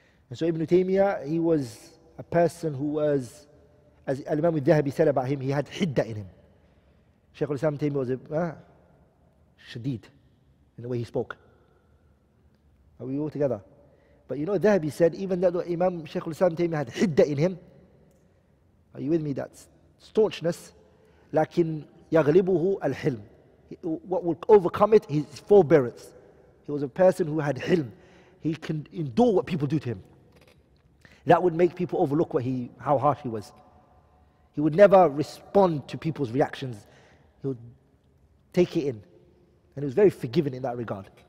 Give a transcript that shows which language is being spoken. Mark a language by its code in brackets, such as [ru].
[en] And so Ibn Taymiyyah, he was a person who was, as Al-Imam al-Dhahabi said about him, he had hiddah in him. Shaykh al-Islam Taymiyyah was shadid in the way he spoke. Are we all together? But you know, Dhahabi said, even though Imam Shaykh al-Islam Taymiyyah had hiddah in him, are you with me? That staunchness, [ar] لكن يغلبه الحلم. [en] What would overcome it? His forbearance. He was a person who had hilm. He can endure what people do to him. That would make people overlook how harsh he was. He would never respond to people's reactions. He would take it in. And he was very forgiving in that regard.